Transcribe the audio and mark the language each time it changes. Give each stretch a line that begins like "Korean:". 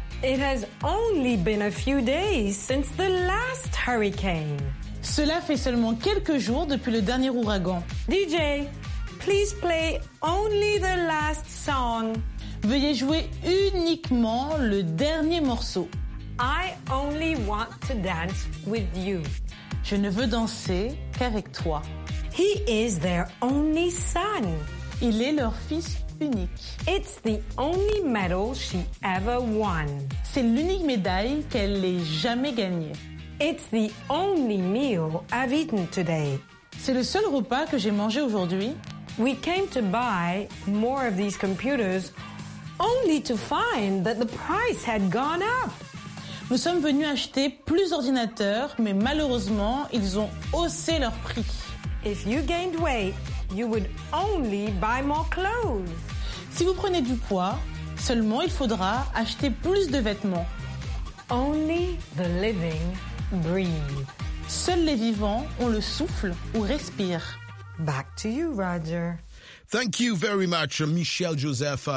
English: It has only been a few days since the last hurricane.
French: Cela fait seulement quelques jours depuis le dernier ouragan.
English: DJ, please play only the last song.
French: Veuillez jouer uniquement le dernier morceau.
English: I only want to dance with you.
French: Je ne veux danser qu'avec toi.
English: He is their only son.
French: Il est leur fils unique.
English: It's the only medal she ever won.
French: C'est l'unique médaille qu'elle ait jamais gagnée.
English: It's the only meal I've eaten today.
French: C'est le seul repas que j'ai mangé aujourd'hui.
English: We came to buy more of these computers only to find that the price had gone up.
French: Nous sommes venus acheter plus d'ordinateurs, mais malheureusement, ils ont haussé leur prix.
English: If you gained weight, you would only buy more clothes.
French: Si vous prenez du poids, seulement il faudra acheter plus de vêtements.
English: Only the living breathe.
French: Seuls les vivants ont le souffle ou respirent.
English: Back to you, Roger. Thank you very much, Michel Joseph.